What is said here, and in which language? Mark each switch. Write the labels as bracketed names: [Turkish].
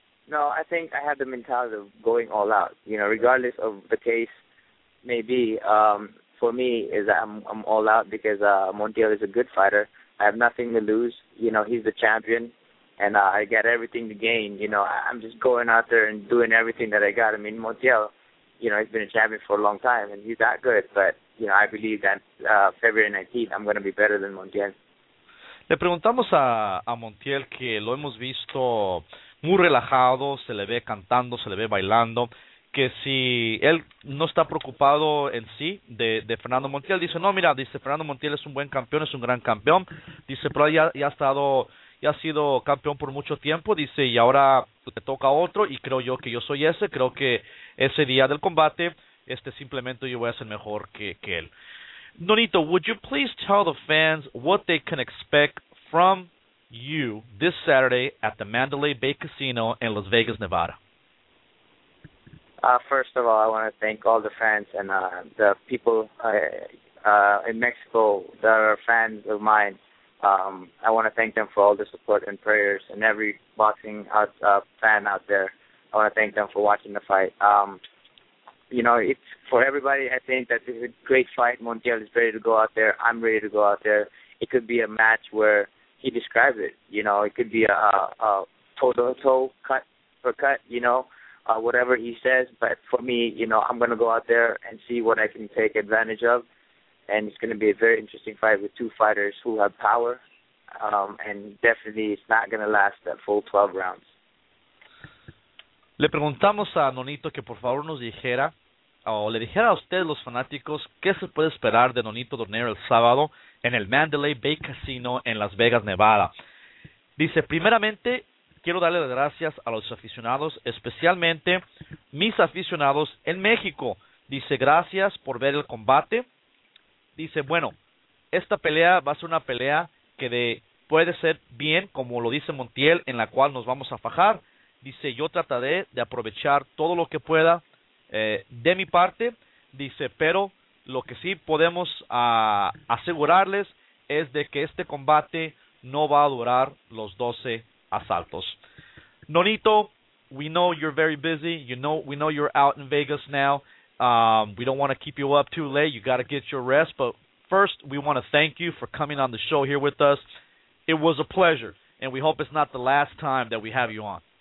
[English] No, I think I have the mentality of going all out. You know, regardless of the case, maybe for me is that I'm all out because Montiel is a good fighter. I have nothing to lose. You know, he's the champion, and I got everything to gain. You know, I'm just going out there and doing everything that I got. I mean, Montiel, you know, he's been a champion for a long time, and he's that good, but you know, I believe that February 19th, I'm going to be better than Montiel. [Spanish] Le preguntamos a Montiel que lo hemos visto muy relajado, se le ve cantando, se le ve bailando, que si él no está preocupado en sí de Fernando Montiel. Dice, no, mira, dice, Fernando Montiel es un buen campeón, es un gran campeón. Dice, pero ya ha estado, ya ha sido campeón por mucho tiempo. Dice, y ahora le toca a otro, y creo yo que yo soy ese. Creo que ese día del combate, simplemente yo voy a ser mejor que él. [English] Nonito, would you please tell the fans what they can expect from you this Saturday at the Mandalay Bay Casino in Las Vegas, Nevada? First of all, I want to thank all the fans and the people in Mexico that are fans of mine. I want to thank them for all the support and prayers, and every boxing fan out there, I want to thank them for watching the fight. You know, it's for everybody. I think that this is a great fight. Montiel is ready to go out there. I'm ready to go out there. It could be a match where he describes it. You know, it could be a toe-to-toe cut for cut, you know, whatever he says. But for me, you know, I'm going to go out there and see what I can take advantage of. And it's going to be a very interesting fight with two fighters who have power. And definitely it's not going to last that full 12 rounds. [Spanish] Le preguntamos a Nonito que por favor nos dijera, o le dijera a usted, los fanáticos, qué se puede esperar de Nonito Donaire el sábado en el Mandalay Bay Casino en Las Vegas, Nevada. Dice, primeramente, quiero darle las gracias a los aficionados, especialmente mis aficionados en México. Dice, gracias por ver el combate. Dice, bueno, esta pelea va a ser una pelea que puede ser bien, como lo dice Montiel, en la cual nos vamos a fajar. Dice, yo trataré de aprovechar todo lo que pueda de mi parte. Dice, pero lo que sí podemos asegurarles es de que este combate no va a durar los 12 asaltos. [English] Nonito, we know you're very busy. You know, we know you're out in Vegas now. We don't want to keep you up too late. You got to get your rest. But first, we want to thank you for coming on the show here with us. It was a pleasure, and we hope it's not the last time that we have you on.